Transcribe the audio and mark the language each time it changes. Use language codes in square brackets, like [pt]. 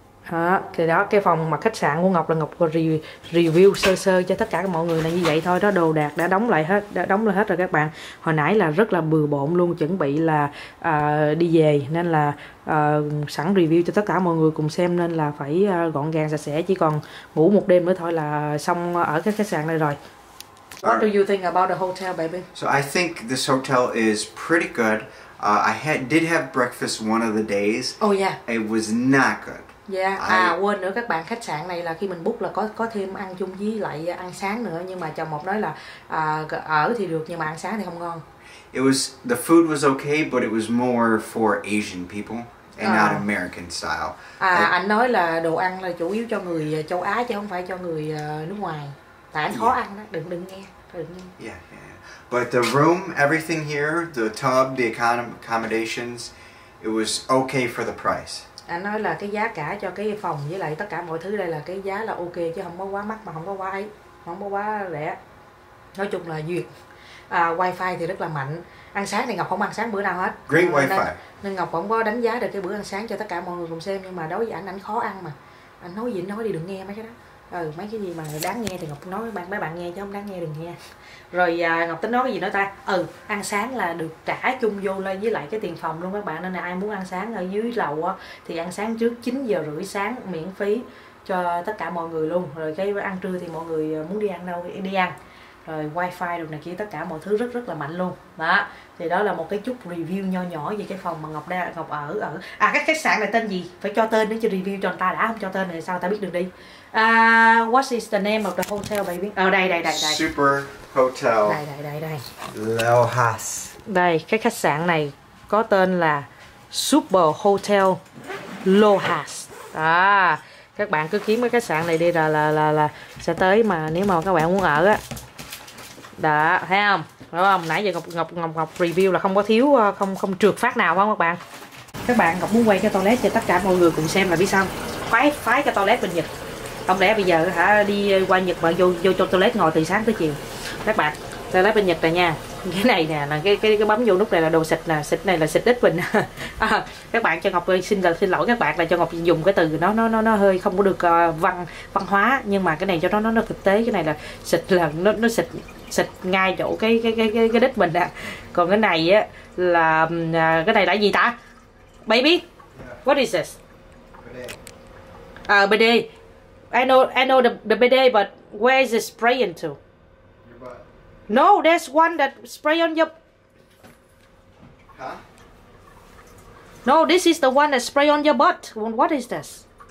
[vi] Đó, thì đó, cái phòng mà khách sạn của Ngọc là Ngọc review sơ sơ cho tất cả mọi người là như vậy thôi đó. Đồ đạc đã đóng lại hết, đã đóng lại hết rồi các bạn. Hồi nãy là rất là bừa bộn luôn, chuẩn bị là đi về. Nên là sẵn review cho tất cả mọi người cùng xem, nên là phải gọn gàng sạch sẽ. Chỉ còn ngủ một đêm nữa thôi là xong ở cái khách sạn này rồi. [en] What do you think about the hotel, baby? So I think this hotel is pretty good. I did have breakfast one of the days. Oh yeah. It was not good. Yeah. [vi] Quên nữa các bạn, khách sạn này là khi mình book là có thêm ăn chung với lại ăn sáng nữa, nhưng mà chồng một nói là ở thì được nhưng mà ăn sáng thì không ngon. [en] It was, the food was okay, but it was more for Asian people and not American style. [vi] Anh nói là đồ ăn là chủ yếu cho người châu Á chứ không phải cho người nước ngoài. Tại anh khó ăn đó, đừng nghe. [en] Yeah. But the room, everything here, the tub, the accommodations, it was okay for the price. [vi] Anh nói là cái giá cả cho cái phòng với lại tất cả mọi thứ đây là cái giá là ok chứ không có quá mắc mà không có quá ấy, không có quá rẻ. Nói chung là duyệt. Wifi thì rất là mạnh. Ăn sáng thì Ngọc không ăn sáng bữa nào hết. [en] Great wifi. [vi] Nên Ngọc không có đánh giá được cái bữa ăn sáng cho tất cả mọi người cùng xem, nhưng mà đối với anh khó ăn mà. Anh nói gì anh nói đi, đừng nghe mấy cái đó. Mấy cái gì mà đáng nghe thì Ngọc nói với mấy bạn nghe, chứ không đáng nghe đừng nghe. Rồi Ngọc tính nói cái gì nữa ta? Ăn sáng là được trả chung vô lên với lại cái tiền phòng luôn các bạn. Nên là ai muốn ăn sáng ở dưới lầu á thì ăn sáng trước 9 giờ rưỡi sáng miễn phí cho tất cả mọi người luôn. Rồi cái ăn trưa thì mọi người muốn đi ăn đâu thì đi ăn. Rồi wifi được này kia, tất cả mọi thứ rất rất là mạnh luôn. Đó, thì đó là một cái chút review nho nhỏ về cái phòng mà Ngọc đang Ngọc ở ở. Cái khách sạn này tên gì? Phải cho tên để cho review cho người ta, đã không cho tên thì sao ta biết được đi. [en] What is the name of the hotel, baby? [vi] Đây. [en] Super Hotel. [vi] Đây. Lelhas. Đây, cái khách sạn này có tên là Super Hotel Lelhas. Các bạn cứ kiếm cái khách sạn này đi là sẽ tới mà nếu mà các bạn muốn ở á. Đó, thấy không? Đúng không? Nãy giờ Ngọc review là không có thiếu, không trượt phát nào không các bạn? Các bạn, Ngọc muốn quay cái toilet cho tất cả mọi người cùng xem là biết sao? Phái cái toilet bên Nhật. Không lẽ bây giờ hả đi qua Nhật mà vô cho toilet ngồi từ sáng tới chiều. Các bạn, toilet bên Nhật này nha. Cái này nè, là cái bấm vô nút này là đồ xịt nè, xịt này là xịt ít bình. Các bạn, cho Ngọc xin lỗi các bạn là cho Ngọc dùng cái từ nó hơi không có được văn hóa, nhưng mà cái này cho nó thực tế. Cái này là xịt là nó xịt xịt ngay chỗ cái đít mình à. Còn cái này á là cái này là gì ta? [en] Baby. What is this? Bidet. I know the bidet, but where is it spray into? Your butt. No, there's one that spray on your. Huh? No, this is the one that spray on your butt. What is this?